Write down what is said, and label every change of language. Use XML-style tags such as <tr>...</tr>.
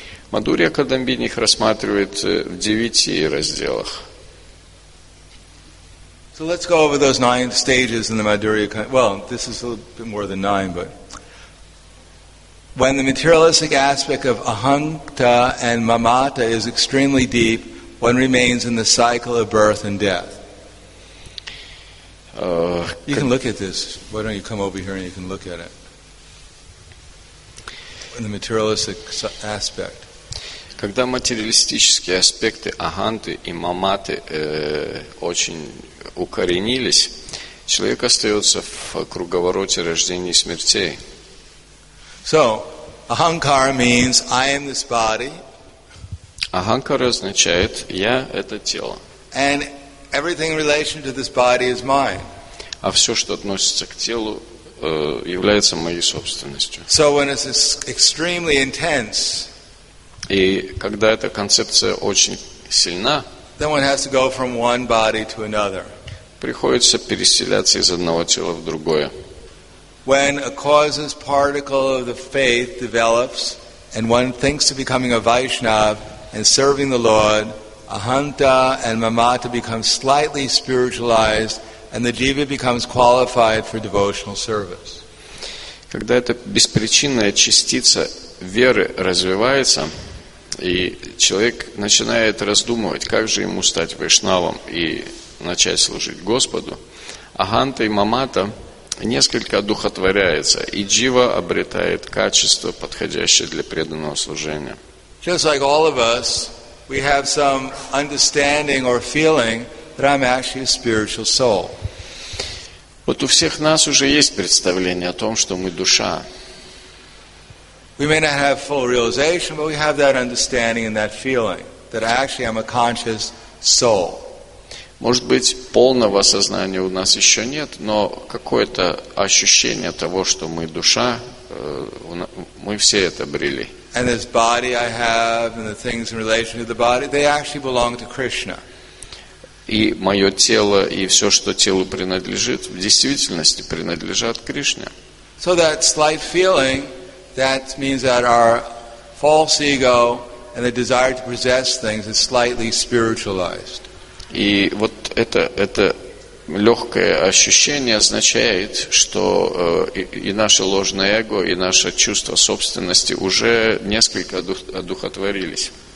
<ru>Мадурья Кадамбини их рассматривает в девяти разделах.</ru> <en>So let's go over those nine stages in the Madhurya Kadambini. Well, this is a little bit more than nine, but when the materialistic aspect of ahankta and mamata is extremely deep, one remains in the cycle of birth and death. You can look at this. Why don't you come over here and you can look at it? In the materialistic aspect.</en> <ru>Когда материалистические аспекты аханты и маматы очень укоренились, человек остается в круговороте рождения и смертей.</ru> <en>So, ahankara means I am this body.</en> <ru>Аханкара означает «я – это тело».</ru> <en>And everything in relation to this body is mine.</en> <ru>А все, что относится к телу, является моей собственностью.</ru> <en>So when it's extremely intense,</en> <ru>и когда эта концепция очень сильна,</ru> <en>then one has to go from one body to another.</en> <ru>Приходится переселяться из одного тела в другое.</ru> <en>When a causes particle of the faith develops, and one thinks of becoming a Vaishnav, and serving the Lord, ahanta and mamata become slightly spiritualized, and the jiva becomes qualified for devotional service.</en> <ru>Когда эта беспричинная частица веры развивается, и человек начинает раздумывать, как же ему стать вайшнавом и начать служить Господу, аханта и мамата несколько одухотворяются, и джива обретает качество, подходящее для преданного служения.</ru> <en>Just like all of us, we have some understanding or feeling that I'm actually a spiritual soul.</en> <ru>Вот у всех нас уже есть представление о том, что мы душа.</ru> <en>We may not have full realization, but we have that understanding and that feeling that actually I'm a conscious soul.</en> <ru>Может быть, полного сознания у нас еще нет, но какое-то ощущение того, что мы душа, мы все это обрели.</ru> <en>And this body I have and the things in relation to the body, they actually belong to Krishna.</en> <ru>И мое тело и все, что телу принадлежит, в действительности принадлежат Кришне.</ru> <en>So that slight feeling, that means that our false ego and the desire to possess things is slightly spiritualized.</en> <ru>И вот это легкое ощущение означает, что и наше ложное эго, и наше чувство собственности уже несколько одухотворились.</ru>